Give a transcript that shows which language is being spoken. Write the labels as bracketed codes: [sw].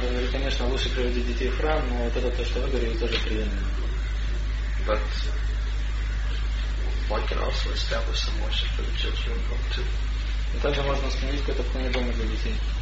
[ru] конечно, лучше приводить детей в храм, но вот это то, что вы говорили, тоже приятно. [en] But one can also establish some worship for the children of God too. [ru] И также можно установить какой-то поклонение дома для детей.